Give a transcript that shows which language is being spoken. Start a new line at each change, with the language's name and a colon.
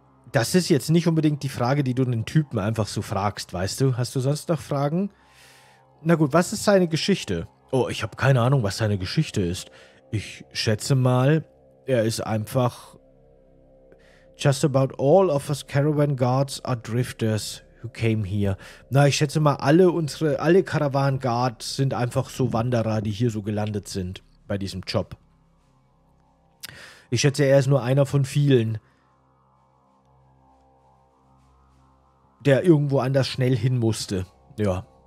German: Das ist jetzt nicht unbedingt die Frage, die du den Typen einfach so fragst, weißt du? Hast du sonst noch Fragen? Na gut, was ist seine Geschichte? Oh, ich habe keine Ahnung, was seine Geschichte ist. Ich schätze mal, er ist einfach...
English: Just about all of us caravan guards are drifters. Who came here?
German: Na, ich schätze mal, alle Caravan Guards sind einfach so Wanderer, die hier so gelandet sind bei diesem Job. Ich schätze, er ist nur einer von vielen, der irgendwo anders schnell hin musste. Ja.